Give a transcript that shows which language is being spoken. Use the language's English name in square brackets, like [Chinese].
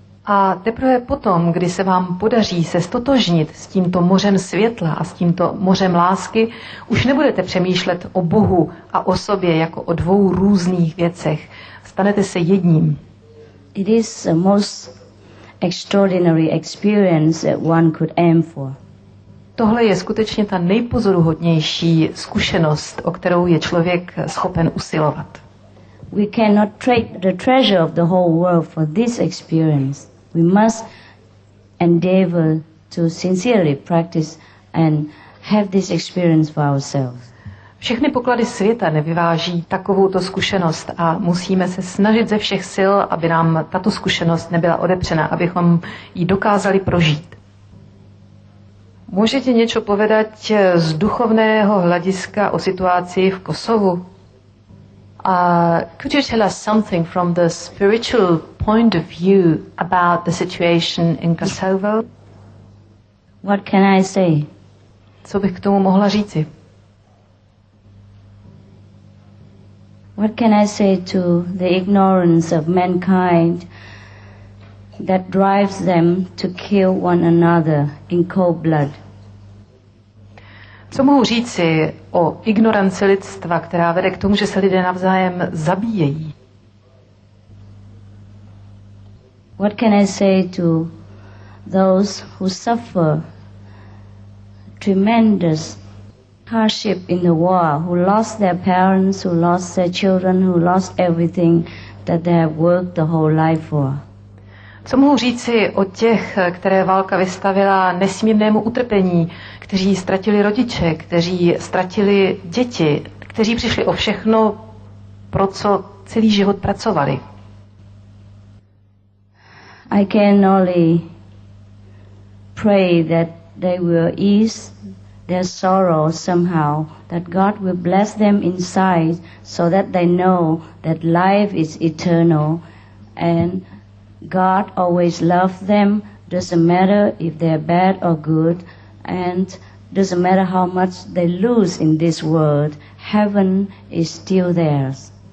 [Czech] A teprve potom, kdy se vám podaří se ztotožnit s tímto mořem světla a s tímto mořem lásky, už nebudete přemýšlet o Bohu a o sobě jako o dvou různých věcech. Stanete se jedním. [English] It is the most extraordinary experience that one could aim for. [Czech] Tohle je skutečně ta nejpozoruhodnější zkušenost, o kterou je člověk schopen usilovat. [English] We cannot trade the treasure of the whole world for this experience. We must endeavor to sincerely practice and have this experience for ourselves. [Czech] Všechny poklady světa nevyváží takovouto zkušenost a musíme se snažit ze všech sil, aby nám tato zkušenost nebyla odepřena, abychom ji dokázali prožít. Můžete něco povedat z duchovného hlediska o situaci v Kosovu? [English] Could you tell us something from the spiritual point of view about the situation in Kosovo? What can I say? [Czech] Co bych k tomu mohla říci? [English] What can I say to the ignorance of mankind that drives them to kill one another in cold blood? [Czech] Co mohu říci o ignoranci lidstva, která vede k tomu, že se lidé navzájem zabíjejí? [English] What can I say to those who suffer tremendous hardship in the war, who lost their parents, who lost their children, who lost everything that they have worked the whole life for? [Czech] Co mohu říci o těch, které válka vystavila nesmírnému utrpení, kteří ztratili rodiče, kteří ztratili děti, kteří přišli o všechno, pro co celý život pracovali? [English] I can only pray that they will ease their sorrow somehow, that God will bless them inside so that they know that life is eternal and God always loves them, doesn't matter if they're bad or good, and doesn't matter how much they lose in this world, heaven is still theirs.